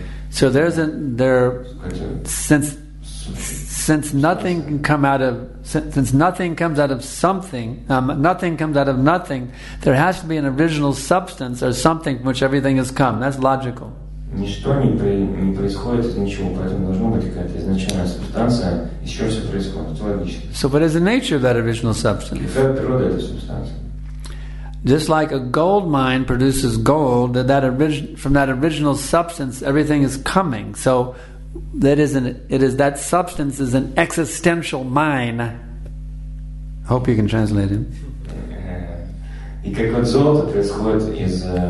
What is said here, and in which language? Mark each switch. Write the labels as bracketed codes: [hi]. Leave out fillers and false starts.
[en] So there's a since nothing comes out of nothing, there has to be an original substance or something from which everything has come. That's logical. [ru] Ничто не происходит из ничего, поэтому должна быть какая-то изначальная субстанция, из чего все происходит, это логично. [en] So what is the nature of that original substance? [ru] Какая природа этой субстанции? [en] Just like a gold mine produces gold, from that original substance everything is coming. So that substance is an existential mine. Hope you can translate it. [ru] И как вот золото происходит из...